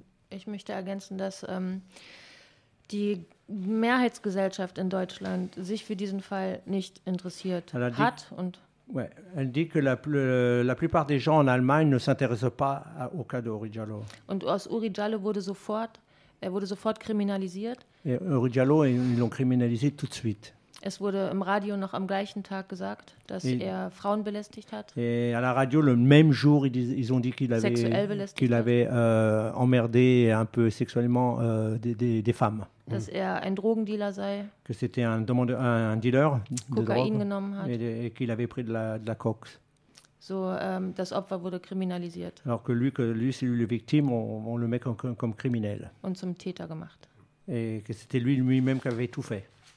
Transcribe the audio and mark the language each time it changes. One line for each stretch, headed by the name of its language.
German: Ich möchte ergänzen, dass die Mehrheitsgesellschaft in Deutschland sich für diesen Fall nicht interessiert hat.
French: Elle dit que la plupart des gens en Allemagne ne s'intéressent pas au cas de Uri Diallo.
German: Und Uri Diallo wurde sofort kriminalisiert.
French: Et Uri Diallo, ils l'ont criminalisé tout de suite.
German: Es wurde im Radio noch am gleichen Tag gesagt, dass er Frauen belästigt hat.
French: Et à la radio, le même jour, ils ont dit qu'il avait emmerdé un peu sexuellement des femmes.
German: Dass er ein Drogendealer sei.
French: Que c'était un dealer de drogue.
German: Kokain genommen hat.
French: Et qu'il avait pris de la coke.
German: So, das Opfer wurde kriminalisiert.
French: Alors que lui c'est lui la victime, on le met comme criminel.
German: Und zum Täter gemacht.
French: Et que c'était lui-même qui avait tout fait.